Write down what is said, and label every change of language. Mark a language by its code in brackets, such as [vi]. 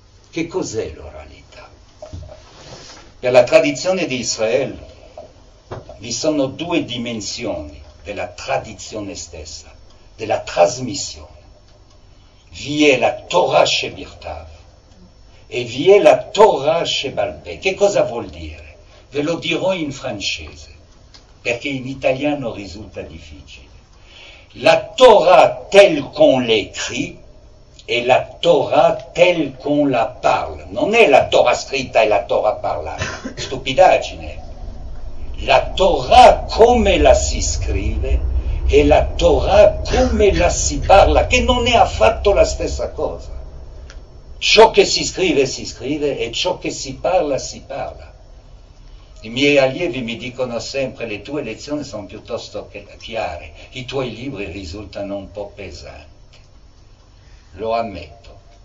[it] Che cos'è l'oralità? Per la tradizione di Israele vi sono due dimensioni della tradizione stessa, della trasmissione. Vi è la Torah Shebirtav e vi è la Torah Shebalpe. Che cosa vuol dire? Ve lo dirò in francese, perché in italiano risulta difficile. [fr] La Torah tel qu'on l'écrit e la Torah tel qu'on la parle. [it] Non è la Torah scritta e la Torah parlata, stupidaggine. La Torah come la si scrive e la Torah come la si parla, che non è affatto la stessa cosa. Ciò che si scrive e ciò che si parla. I miei allievi mi dicono sempre: le tue lezioni sono piuttosto chiare, i tuoi libri risultano un po' pesanti. Lo ammetto.